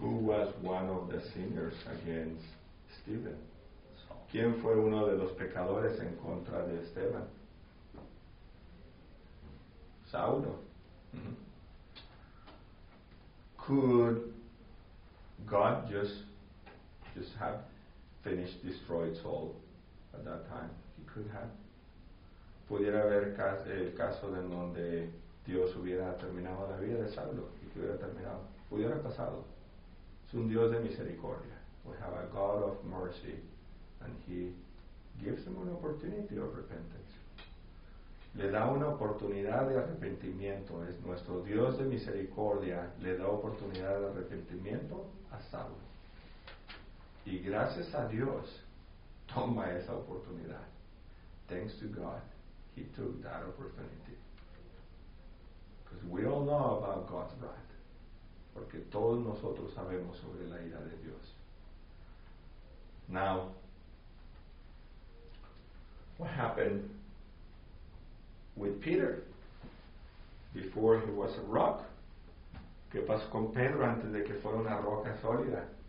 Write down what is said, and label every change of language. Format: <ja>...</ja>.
<en>Who was one of the sinners against Stephen? Saul.</en> <es>¿Quién fue uno de los pecadores en contra de Esteban? Saulo.</es> <en>Could God just have finished destroyed Saul at that time? He could have.</en> <es>¿Pudiera haber el caso en donde Dios hubiera terminado la vida de Saulo y que hubiera terminado? Pudiera pasado. Es un Dios de misericordia.</es> <en>We have a God of mercy, and He gives him an opportunity of repentance.</en> <es>Le da una oportunidad de arrepentimiento. Es nuestro Dios de misericordia, le da oportunidad de arrepentimiento a Saulo. Y gracias a Dios, toma esa oportunidad.</es> <en>Thanks to God, He took that opportunity. Because we all know about God's wrath.</en> <es>Porque todos nosotros sabemos sobre la ira de Dios.</es> <en>Now, what happened with Peter before he was a rock?</en> <es>¿Qué pasó con Pedro antes de que fuera una roca sólida?</es>